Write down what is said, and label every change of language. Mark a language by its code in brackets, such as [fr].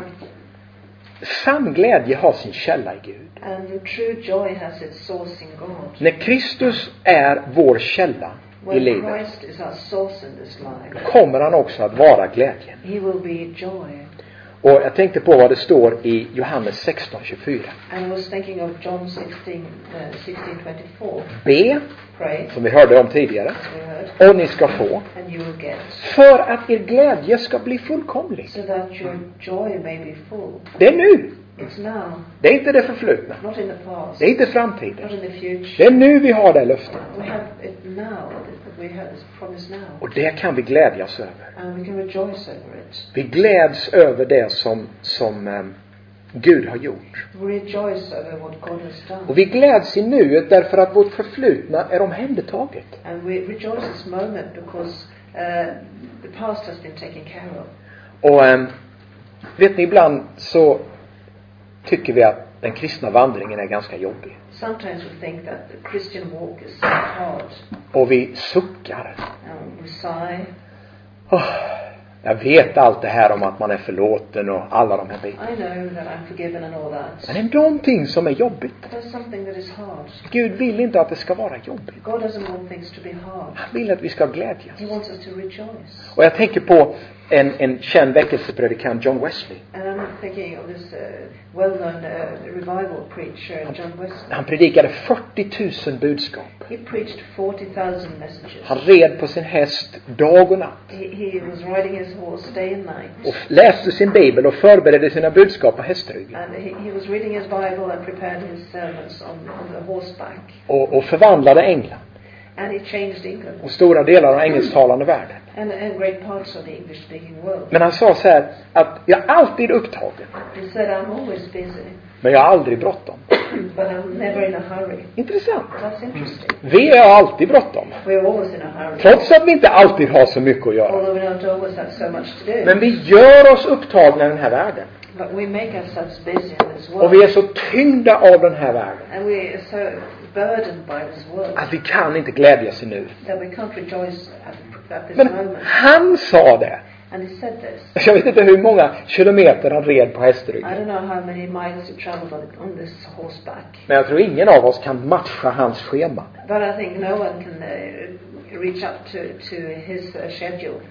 [sv] Och sann glädje har sin källa i Gud. [en] And true joy has its source in God. [sv] När Kristus är vår källa [en] when [sv] i livet. [en] Christ is our source in this life. [sv] Kommer han också att vara glädjen. [en] He will be joy. [sv] Och jag tänkte på vad det står i Johannes 16:24. [en] And I was thinking of John 16:24. [sv] Be. [en] Pray. [sv] Som vi hörde om tidigare. [en] Heard, [sv] och ni ska få. [en] And you will get. [sv] För att er glädje ska bli fullkomlig. [en] So that your joy may be full. [sv] Det är nu. [en] It's now. [sv] Det är inte det förflutna. [en] Not in the past. [sv] Det är inte framtiden. [en] Not in the future. [sv] Det är nu vi har det löftet. [en] We have it now. We have this promise now. [sv] Och det kan vi glädjas över. [en] And we can rejoice over it. [sv] Vi gläds över det som Gud har gjort. [en] We rejoice over what God has done. [sv] Och vi gläds i nuet därför att vårt förflutna är omhändertaget. [en] And we rejoice this moment because the past has been taken care of. [sv] Och vet ni, ibland så tycker vi att den kristna vandringen är ganska jobbig. [en] Sometimes we think that the Christian walk is hard. [sv] Och vi suckar. [en] And we sigh. [sv] Oh, jag vet allt det här om att man är förlåten och alla de här bitarna. [en] I know that I'm forgiven and all that. [sv] Men det är någonting som är jobbigt. [en] There's something that is hard. [sv] Gud vill inte att det ska vara jobbigt. [en] God doesn't want things to be hard. [sv] Han vill att vi ska glädjas. [en] He wants us to rejoice. [sv] Och jag tänker på en känd väckelsepredikant, John Wesley. [en] And I'm thinking of this well-known revival preacher, John Wesley. [sv] Han predikade 40 000 budskap. [en] He preached 40 000 messages. [sv] Han red på sin häst dag och natt. [en] He was riding his horse day and night. [sv] Och läste sin bibel och förberedde sina budskap på hästryggen. [en] And he was reading his bible and prepared his sermons on the horseback. [sv] Och förvandlade England. [en] And it changed England. [sv] Och stora delar av engelsktalande världen. [en] And great parts of the English-speaking world. [sv] Men han sa så här, att jag är alltid upptagen. [en] He said, I'm always busy. [sv] Men jag har aldrig bråttom. [en] But I'm never in a hurry. [sv] Intressant. [en] That's interesting. [sv] Vi är alltid bråttom. [en] We are always in a hurry. [sv] Trots att vi inte alltid har så mycket att göra. [en] Although we don't always have so much to do. [sv] Men vi gör oss upptagna i den här världen. [en] But we make ourselves busy in this world. [sv] Och vi är så tyngda av den här världen. [en] And we are so burdened by this world. [sv] Att vi kan inte glädjas i nu. [en] That we can't rejoice at this moment. [sv] Men han sa det. [en] And he said this. [sv] Jag vet inte hur många kilometer han red på hästryggen. [en] I don't know how many miles he traveled on this horseback. [sv] Men jag tror ingen av oss kan matcha hans schema. [en] But I think no one can reach up to his schedule.